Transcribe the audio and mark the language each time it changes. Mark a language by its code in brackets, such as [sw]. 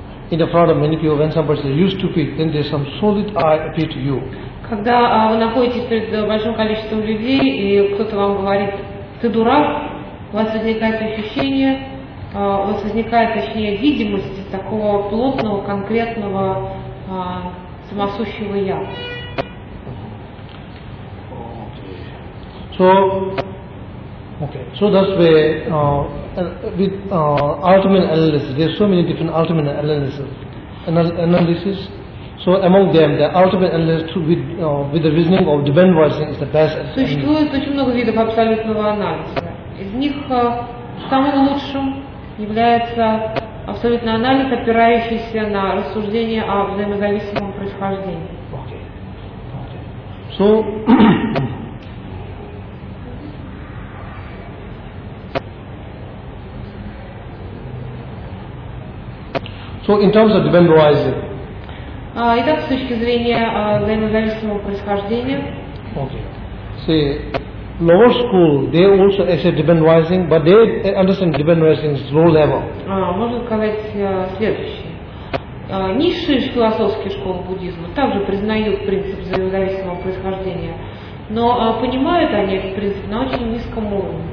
[en] In the front of many people, when somebody says you stupid, then there's some solid I appear to you. [ru] Когда вы находитесь перед большим количеством людей и кто-то вам говорит ты дурак, у вас возникает ощущение, у вас возникает, точнее, видимость такого плотного, конкретного самосущего я. [en] Okay, so that's where with ultimate analysis, there's so many different ultimate analysis. So among them, the ultimate analysis with the reasoning of dependent rising is the best. [ru] Существует очень много видов абсолютного анализа. Из них самым лучшим является абсолютный анализ, опирающийся на рассуждение о взаимозависимом происхождении. [en] Okay. So. So in terms of dependent rising. [ru] Итак, с точки зрения взаимозависимого происхождения. [en] Okay. See, lower school they also accept dependent rising, but they understand dependent rising is low level. [ru] Можно сказать следующее. Низшие философские школы буддизма также признают принцип взаимозависимого происхождения, но понимают они этот принцип на очень низком уровне.